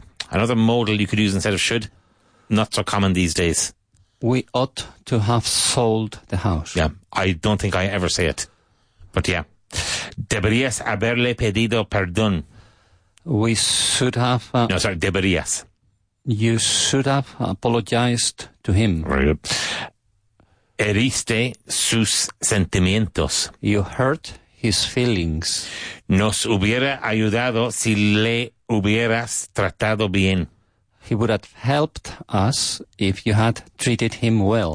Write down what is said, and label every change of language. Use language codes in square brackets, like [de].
[en] Another modal you could use instead of should, not so common these days. We ought to have sold the house. Yeah, I don't think I ever say it, but yeah. [es] Deberías haberle pedido perdón. [en] We should have... [es] Deberías. [en] You should have apologized to him. Very good. [es] Heriste sus sentimientos. [en] You hurt his feelings. [es] Nos hubiera ayudado si le hubieras tratado bien. [en] He would have helped us if you had treated him well.